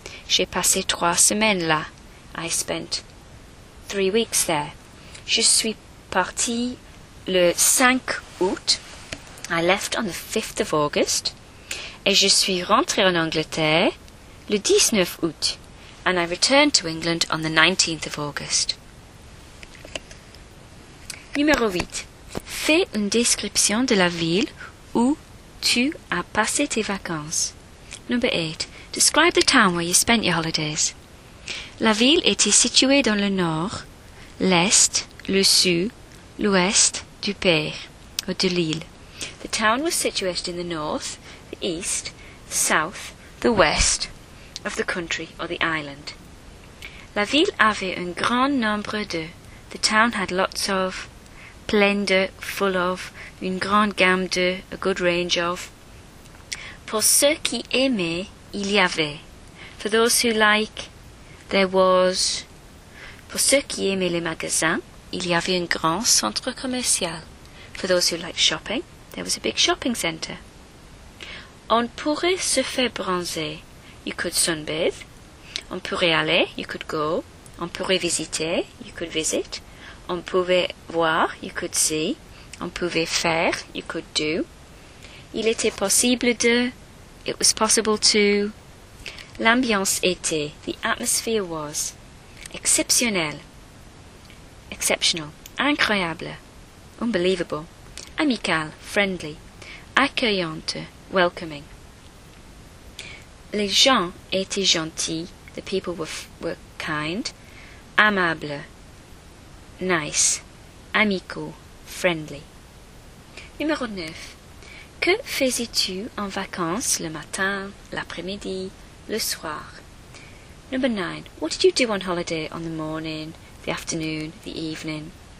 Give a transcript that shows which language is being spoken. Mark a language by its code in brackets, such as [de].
[fr] J'ai passé 3 semaines là. [en] I spent 3 weeks there. [fr] Je suis parti le 5 août. [en] I left on the 5th of August. [fr] Et je suis rentré en Angleterre le 19 août. [en] And I returned to England on the 19th of August. [fr] Numéro 8. Fais une description de la ville où tu as passé tes vacances. [en] Number 8. Describe the town where you spent your holidays. [fr] La ville était située dans le nord, l'est, le sud, l'ouest du pays, ou de l'île. [en] The town was situated in the north, the east, the south, the west of the country or the island. [fr] La ville avait un grand nombre de. [en] The town had lots of. [fr] Plein de, [en] full of, [fr] une grande gamme de, [en] a good range of. [fr] Pour ceux qui aimaient, il y avait. [en] For those who like, there was. [fr] Pour ceux qui aimaient les magasins, il y avait un grand centre commercial. [en] For those who like shopping, there was a big shopping center. [fr] On pourrait se faire bronzer. [en] You could sunbathe. [fr] On pourrait aller. [en] You could go. [fr] On pourrait visiter. [en] You could visit. [fr] On pouvait voir, [en] you could see. [fr] On pouvait faire, [en] you could do. [fr] Il était possible de, it was possible to. L'ambiance était, [en] the atmosphere was. [fr] Exceptionnel, exceptional. Incroyable, unbelievable. Amical, friendly. Accueillante, welcoming. Les gens étaient gentils, [en] the people were kind. [fr] Amable. Nice, amico, friendly. Numéro 9. Que faisais-tu en vacances le matin, l'après-midi, le soir? [en] Number 9. What did you do on holiday on the morning, the afternoon, the evening?